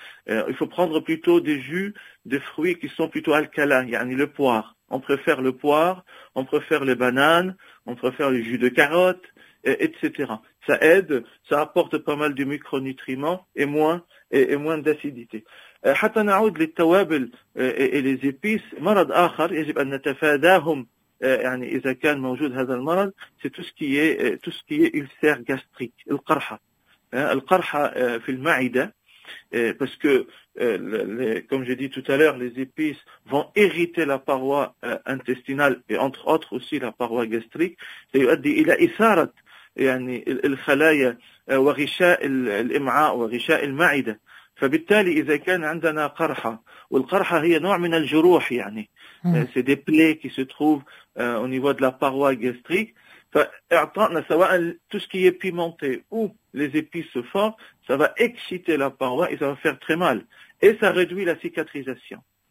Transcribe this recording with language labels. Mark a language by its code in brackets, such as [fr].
[fr] Il faut prendre plutôt des jus de fruits qui sont plutôt alcalins, yani le poire. On préfère le poire, on préfère les bananes, on préfère le jus de carotte, etc. Ça aide, ça apporte pas mal de micronutriments et moins d'acidité. [ar] حتى نعود للتوابل والزيبيس، مرض آخر يجب أن نتفاداهم يعني إذا كان موجود هذا المرض [fr] توسكيه إلسير غاستريك، [ar] القرحة. القرحة في المعدة [fr] parce que comme j'ai dit tout à l'heure, les épices vont irriter la paroi intestinale et entre autres aussi la paroi gastrique. Ça [ar] يؤدي إلى إثارة يعني الخلايا وغشاء الإمعاء وغشاء المعدة. فبالتالي إذا كان عندنا قرحة، والقرحة هي نوع من الجروح يعني [fr] c'est des plaies qui se trouvent au niveau de la paroi gastrique. [ar] فإعطائنا سواء [fr] tout ce qui est pimenté ou les épices fortes, ça va exciter la paroi et ça va faire très mal et ça réduit la cicatrisation.